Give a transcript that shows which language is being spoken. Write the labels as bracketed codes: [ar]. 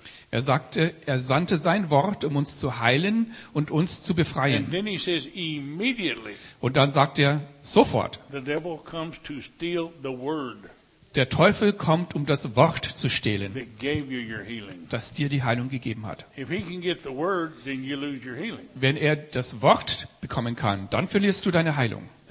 [de] Er sagte, er sandte sein Wort, um uns zu heilen und uns zu befreien. [en] And then he says, immediately, [de] und dann sagt er, sofort, [en] the devil comes to steal the word, [de] der Teufel kommt, um das Wort zu stehlen, [en] that gave you your healing, [de] das dir die Heilung gegeben hat. [en] If he can get the word, then you lose your healing. [de] Wenn er das Wort bekommen kann, dann verlierst du deine Heilung.